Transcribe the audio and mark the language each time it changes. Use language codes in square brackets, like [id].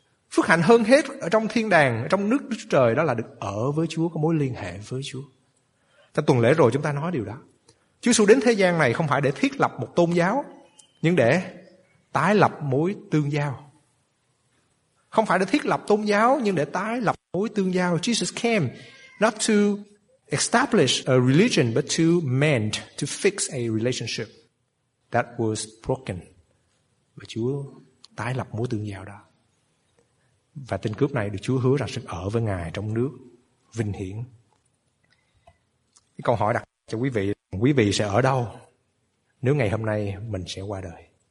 [vi] Phước hạnh hơn hết ở trong thiên đàng, ở trong nước Đức Trời, đó là được ở với Chúa, có mối liên hệ với Chúa. Ta tuần lễ rồi chúng ta nói điều đó. Chúa Giêsu đến thế gian này không phải để thiết lập một tôn giáo, nhưng để tái lập mối tương giao. Không phải để thiết lập tôn giáo, nhưng để tái lập mối tương giao. [en] Jesus came not to establish a religion, but to mend, to fix a relationship that was broken. [vi] Và Chúa tái lập mối tương giao đó. Và tên cướp này được Chúa hứa rằng sẽ ở với Ngài trong nước vinh hiển. Cái câu hỏi đặt cho quý vị sẽ ở đâu nếu ngày hôm nay mình sẽ qua đời?